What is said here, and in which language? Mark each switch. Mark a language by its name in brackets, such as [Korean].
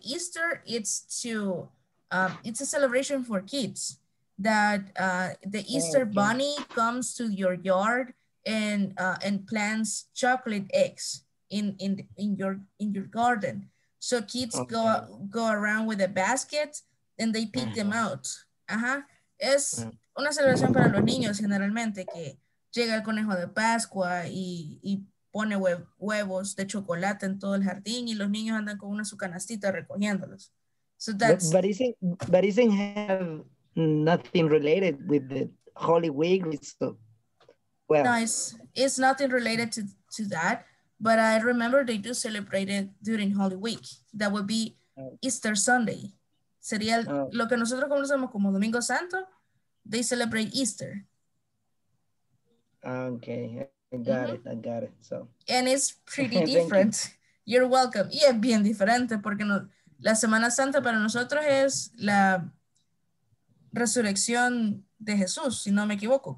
[English] Easter, it's a celebration for kids, that the Easter bunny comes to your yard and plants chocolate eggs in your garden. So kids go around with a basket and they pick them out. [Spanish] Es una celebración para los niños generalmente, que llega el conejo de Pascua y pone huevos de chocolate en todo el jardín y los niños andan con una su canastita recogiéndolos. [English] So that's but isn't have nothing related with the Holy Week. So, well, no, it's nothing related to that. But I remember they do celebrate it during Holy Week. That would be Easter Sunday. [Spanish] Sería lo que nosotros conocemos como Domingo Santo. [English] They celebrate Easter. Okay, I got it. So. And it's pretty different. You're welcome. [Spanish] Y es bien diferente porque no, la Semana Santa para nosotros es la resurrección de Jesús, si no me equivoco.